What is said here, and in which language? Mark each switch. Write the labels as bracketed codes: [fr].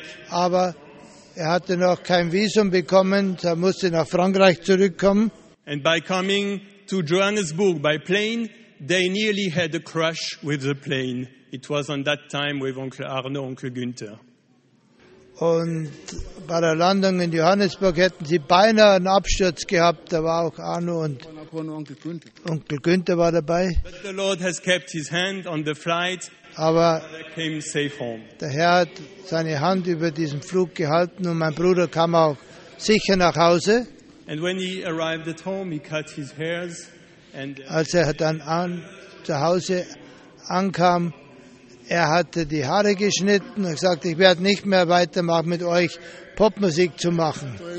[de] Aber er hatte noch kein Visum bekommen, so er musste nach Frankreich zurückkommen. [en] And by coming to Johannesburg by plane, they nearly had a crash with the plane. It was on that time with Onkel Arno, Onkel Günther. [de] Und bei der Landung in Johannesburg hätten sie beinahe einen Absturz gehabt. Da war auch Arno und Onkel Günther war dabei. [en] But the Lord has kept his hand on the flight. [de] Aber [en] came safe home. [de] Der Herr hat seine Hand über diesen Flug gehalten und mein Bruder kam auch sicher nach Hause. [en] And when he arrived at home, he cut his hairs. [de] Als er dann zu Hause ankam, er hatte die Haare geschnitten und gesagt, ich werde nicht mehr weitermachen mit euch, Popmusik zu machen.